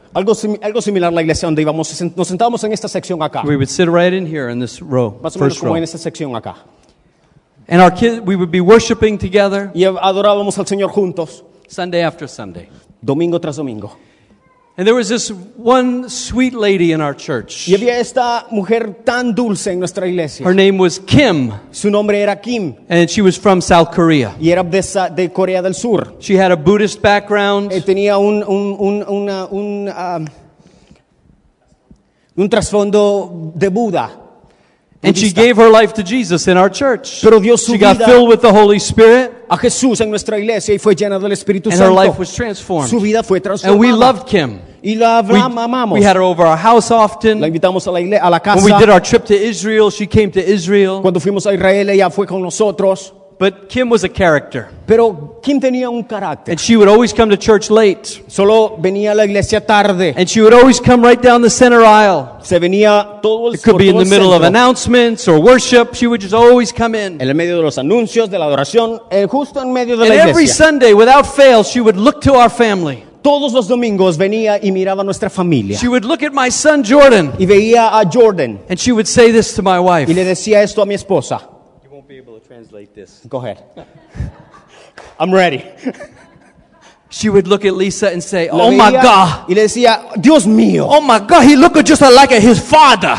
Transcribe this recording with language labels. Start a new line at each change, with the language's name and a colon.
Spanish: Algo similar a la iglesia donde íbamos. Nos sentábamos en esta sección acá.
English: We would sit right in here in this row, first row.
Spanish: En esta sección acá.
English: And our kids, we would be worshiping together.
Spanish: Y adorábamos al Señor juntos.
English: Sunday after Sunday.
Spanish: Domingo tras domingo.
English: And there was this one sweet lady in our church.
Spanish: Y había esta mujer tan dulce en nuestra iglesia.
English: Her name was Kim.
Spanish: Su nombre era Kim.
English: And she was from South Korea.
Spanish: Y era de Corea del Sur.
English: She had a Buddhist background.
Spanish: Tenía un trasfondo de Buda.
English: And she gave her life to Jesus in our church.
Spanish: Pero dio su
English: she got filled with the Holy Spirit.
Spanish: A Jesús en nuestra iglesia y fue llena del Espíritu
English: and
Spanish: Santo.
English: Her life was transformed.
Spanish: Su vida fue transformada.
English: And we loved Kim.
Spanish: Y la amamos.
English: We had her over our house often.
Spanish: La invitamos a la casa.
English: When we did our trip to Israel, she came to Israel.
Spanish: Cuando fuimos a Israel, ella fue con nosotros.
English: But Kim was a character.
Spanish: Pero Kim tenía un carácter.
English: And she would always come to church late.
Spanish: Solo venía a la iglesia tarde.
English: And she would always come right down the center aisle.
Spanish: Se venía todo el,
English: it could
Spanish: todo
English: be in the middle
Spanish: centro.
English: Of announcements or worship. She would just always come in.
Spanish: En el medio de los anuncios, de la adoración, justo en medio de
English: and
Spanish: la iglesia.
English: Every Sunday, without fail, she would look to our family.
Spanish: Todos los domingos venía y miraba a nuestra familia.
English: She would look at my son Jordan.
Spanish: Y veía a Jordan.
English: And she would say this to my wife.
Spanish: Y le decía esto a mi esposa.
English: Translate this. Go ahead. I'm ready. She would look at Lisa and say, oh my God.
Spanish: Y le decía, Dios mío.
English: Oh my God, he looked just like his father.